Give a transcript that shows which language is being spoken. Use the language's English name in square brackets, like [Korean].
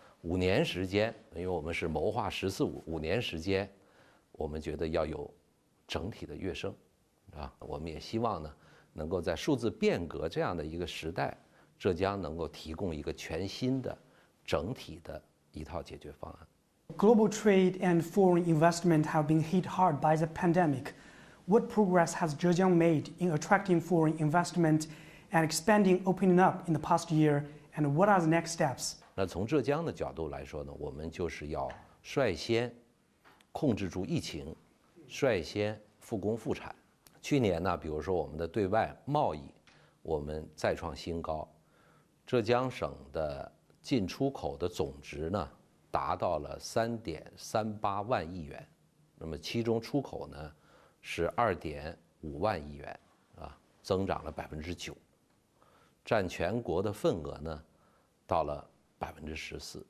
[Chinese] 五年时间，因为我们是谋划“十四五”，五年时间，我们觉得要有整体的跃升，是吧？我们也希望呢，能够在数字变革这样的一个时代，浙江能够提供一个全新的。整体的一套解决方案。 [English] Global trade and foreign investment have been hit hard by the pandemic. What progress has Zhejiang made in attracting foreign investment and expanding opening up in the past year? And what are the next steps? [Chinese] 那从浙江的角度来说呢，我们就是要率先控制住疫情，率先复工复产。去年呢，比如说我们的对外贸易，我们再创新高。浙江省的进出口的总值呢，达到了3.38万亿元，那么其中出口呢，是2.5万亿元，啊，增长了9%，占全国的份额呢，到了14%。